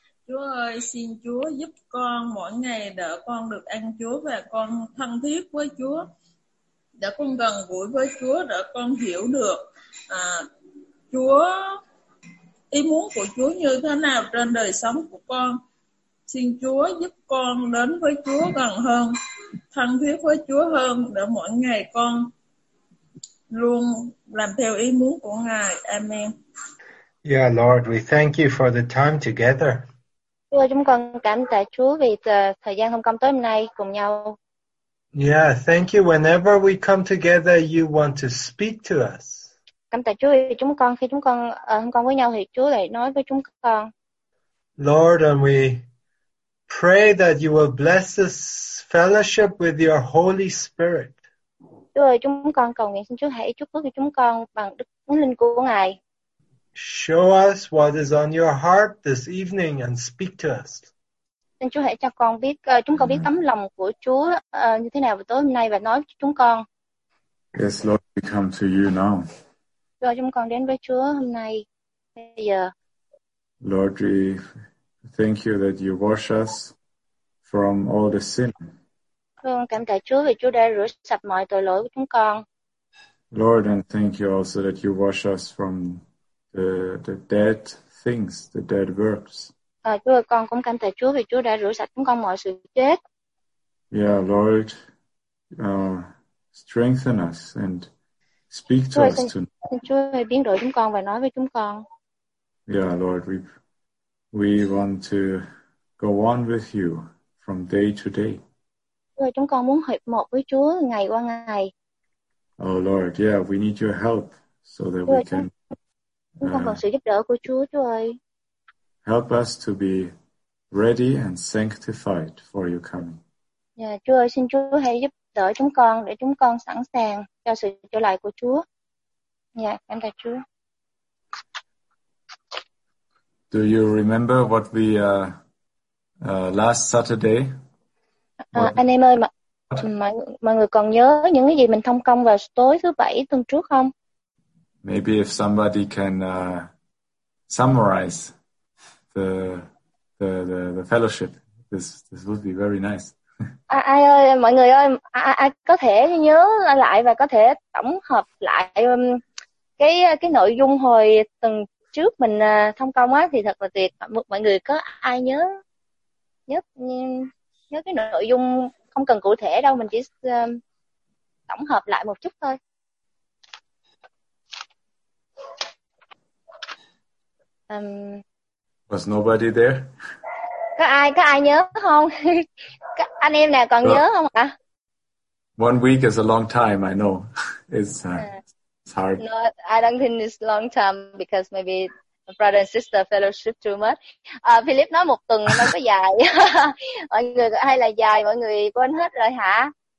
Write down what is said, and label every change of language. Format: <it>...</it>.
<vi>Chúa ơi, xin Chúa giúp con mỗi ngày để con được ăn Chúa và con thân thiết với Chúa, để con gần gũi với Chúa, để con hiểu được Chúa ý muốn của Chúa như thế nào trên đời sống của con. Xin Chúa giúp con đến với Chúa gần hơn, thân thiết với Chúa hơn, để mỗi ngày con luôn làm theo ý muốn của Ngài. Amen.</vi> <en>Yeah, Lord, we thank you for the time together.</en> <vi>Chúa, chúng con cảm tạ Chúa vì thời gian hôm công tối hôm nay cùng nhau.</vi> <en>Yeah, thank you. Whenever we come together, you want to speak to us.</en> <vi>Cảm tạ Chúa vì chúng con khi chúng con hôm công với nhau thì Chúa lại nói với chúng con.</vi> <en>Lord, and we pray that you will bless this fellowship with your Holy Spirit.</en> <vi>Chúa ơi, chúng con cầu nguyện xin Chúa hãy chúc phước cho chúng con bằng Đức Thánh Linh của Ngài.</vi> <en>Show us what is on your heart this evening and speak to us.</en> <vi>Xin Chúa hãy cho con biết, chúng con biết tấm lòng của Chúa như thế nào tối hôm nay và nói cho chúng con.</vi> <en>Yes, Lord, we come to you now.</en> <vi>Rồi chúng con đến với Chúa hôm nay, bây giờ.</vi> <en>Lord, we thank you that you wash us from all the sin.</en> <vi>Vâng, cảm tạ Chúa vì Chúa đã rửa sạch mọi tội lỗi của chúng con.</vi> <en>Lord, and thank you also that you wash us from the dead things, the dead works.</en> <vi>Chúa ơi, con cũng cảm tạ Chúa vì Chúa đã rửa sạch chúng con mọi sự chết.</vi> <en>Yeah, Lord, strengthen us and speak to us tonight.</en> <vi>Xin Chúa ơi, biến đổi chúng con và nói với chúng con.</vi> <en>Yeah, Lord, we want to go on with you from day to day.</en> <vi>Chúa ơi, chúng con muốn hiệp một với Chúa ngày qua ngày.</vi> <en>Oh Lord, yeah, we need your help so that we can.</en> <vi>Chúng con cần sự giúp đỡ của Chúa, Chúa ơi.</vi> <en>Help us to be ready and sanctified for your coming.</en> <vi>Yeah, Chúa ơi, xin Chúa hãy giúp đỡ chúng con để chúng con sẵn sàng cho sự trở lại của Chúa. Dạ, cảm tạ Chúa.</vi> <en>Do you remember what we last Saturday?</en> <vi>Anh em ơi, mọi người còn nhớ những cái gì mình thông công vào tối thứ bảy tuần trước không?</vi> <en>Maybe if somebody can summarize the fellowship, this would be very nice.</en> <vi>Ai ơi, mọi người ơi, ai có thể nhớ lại và có thể tổng hợp lại cái nội dung hồi tuần trước mình thông công á, thì thật là tuyệt. Mọi người có ai nhớ cái nội dung, không cần cụ thể đâu, mình chỉ tổng hợp lại một chút thôi.</vi> <en>Was nobody there?</en> <vi>Có ai nhớ không? Anh em nào còn nhớ không ạ?</vi> <en>One week is a long time, I know. It's hard. No, I don't think it's a long time because maybe brother and sister fellowship too much.</en> <vi>Philip nói một tuần nó có dài. Mọi người hay là dài, mọi người quên hết rồi hả?</vi>